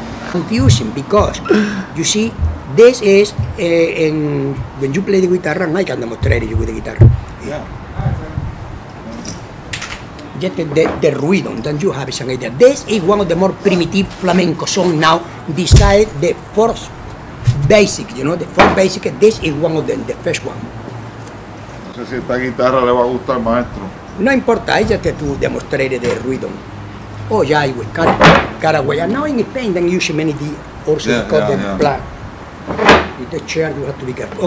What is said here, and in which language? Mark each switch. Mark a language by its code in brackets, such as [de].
[en] Confusing because you see, this is in when you play the guitar, and I can demonstrate you with the guitar. Yeah. Just the rhythm, then you have some idea. This is one of the more primitive flamenco songs now, besides the fourth basic, you know, the fourth basic, this is one of them, the first one. [es] No sé si esta guitarra le va a gustar, maestro. No importa, es [en] just to demonstrate the rhythm. Oh yeah, I will cut away. And now in Spain, they use many of the also yeah, called yeah, the yeah. Black. With the chair, you have to be careful.